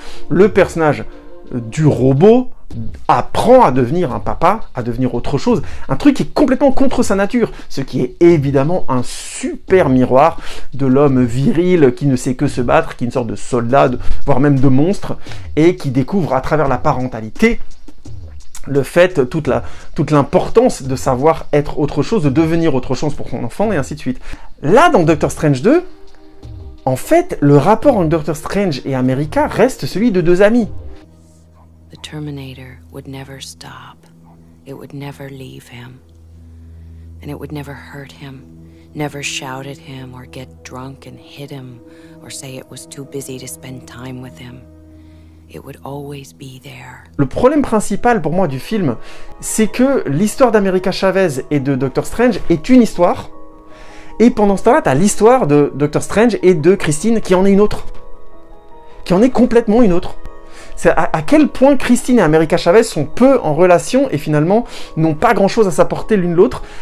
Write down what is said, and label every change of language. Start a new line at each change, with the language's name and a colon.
French: Le personnage du robot apprend à devenir un papa, à devenir autre chose, un truc qui est complètement contre sa nature, ce qui est évidemment un super miroir de l'homme viril qui ne sait que se battre, qui est une sorte de soldat, voire même de monstre, et qui découvre à travers la parentalité le fait, toute l'importance de savoir être autre chose, de devenir autre chose pour son enfant, et ainsi de suite. Là, dans Doctor Strange 2, en fait, le rapport entre Doctor Strange et America reste celui de deux amis.
English: The Terminator would never stop. It would never leave him. And it would never hurt him, never shout at him or get drunk and hit him or say it was too busy to spend time with him. It would always be there.
French: Le problème principal pour moi du film, c'est que l'histoire d'America Chavez et de Doctor Strange est une histoire. Et pendant ce temps-là, tu as l'histoire de Doctor Strange et de Christine qui en est une autre. Qui en est complètement une autre. C'est à quel point Christine et America Chavez sont peu en relation et finalement n'ont pas grand-chose à s'apporter l'une l'autre.